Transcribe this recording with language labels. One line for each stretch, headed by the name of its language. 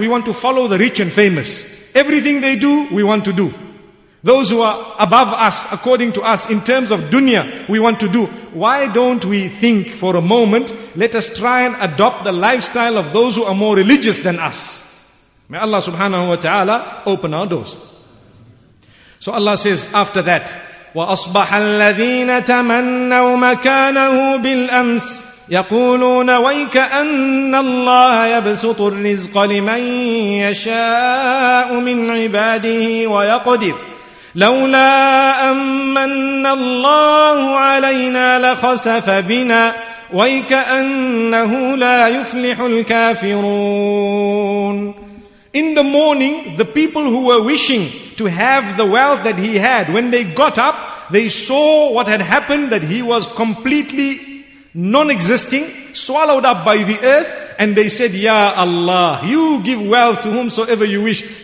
English: We want to follow the rich and famous. Everything they do, we want to do. Those who are above us, according to us, in terms of dunya, we want to do. Why don't we think for a moment, let us try and adopt the lifestyle of those who are more religious than us. May Allah subhanahu wa ta'ala open our doors. So Allah says after that,
Arabic: وَأَصْبَحَ الَّذِينَ تَمَنَّوا مَكَانَهُ بِالْأَمْسِ يَقُولُونَ وَيْكَأَنَّ اللَّهَ يَبْسُطُ الرِّزْقَ لِمَنْ يَشَاءُ مِنْ عِبَادِهِ وَيَقْدِرُ لولا أمن الله علينا لخسف بنا ويكأنه لا يفلح الكافرون.
English: In the morning, the people who were wishing to have the wealth that he had, when they got up, they saw what had happened, that he was completely non-existing, swallowed up by the earth, and they said, Ya Allah, you give wealth to whomsoever you wish.